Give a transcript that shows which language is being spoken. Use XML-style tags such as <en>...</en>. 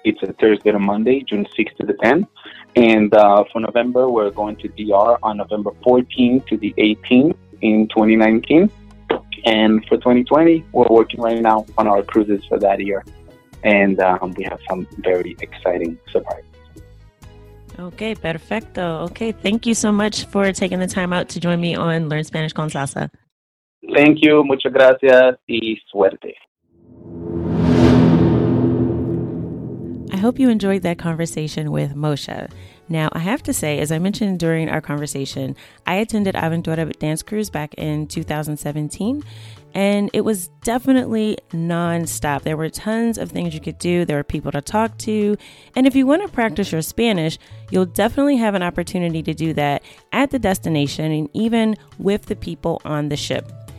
<en>It's a Thursday to Monday, June 6th to the 10th. And for November, we're going to DR on November 14th to the 18th in 2019. And for 2020, we're working right now on our cruises for that year. And we have some very exciting surprises.</en> <es>Okay, perfecto.</es> <en>Okay, thank you so much for taking the time out to join me on Learn Spanish con Salsa. Thank you.</en> <es>Muchas gracias y suerte.</es> <en>I hope you enjoyed that conversation with Moshe. Now, I have to say, as I mentioned during our conversation, I attended Aventura Dance Cruise back in 2017, and it was definitely nonstop. There were tons of things you could do. There were people to talk to. And if you want to practice your Spanish, you'll definitely have an opportunity to do that at the destination and even with the people on the ship.</en>